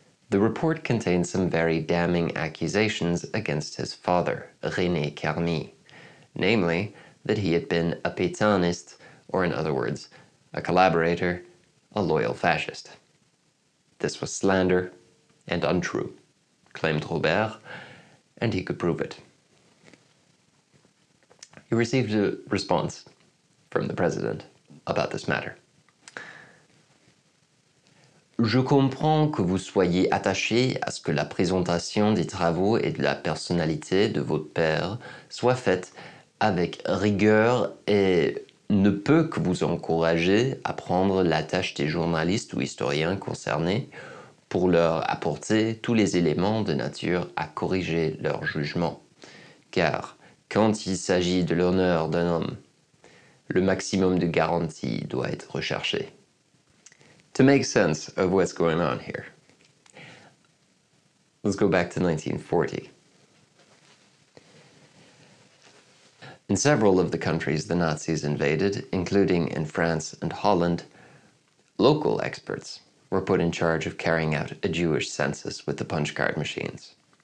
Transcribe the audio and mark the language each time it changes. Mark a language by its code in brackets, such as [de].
[en] The report contained some very damning accusations against his father, René Carmille, namely that he had been a Pétainist, or in other words, a collaborator, a loyal fascist. This was slander and untrue, claimed Robert, and he could prove it. He received a response from the president about this matter. [fr] Je comprends que vous soyez attaché à ce que la présentation des travaux et de la personnalité de votre père soit faite avec rigueur et ne peut que vous encourager à prendre la tâche des journalistes ou historiens concernés pour leur apporter tous les éléments de nature à corriger leur jugement. Car quand il s'agit de l'honneur d'un homme, le maximum de garantie doit être recherché. [en] To make sense of what's going on here, let's go back to 1940. In several of the countries the Nazis invaded, including in France and Holland, local experts were put in charge of carrying out a Jewish census with the punch card machines.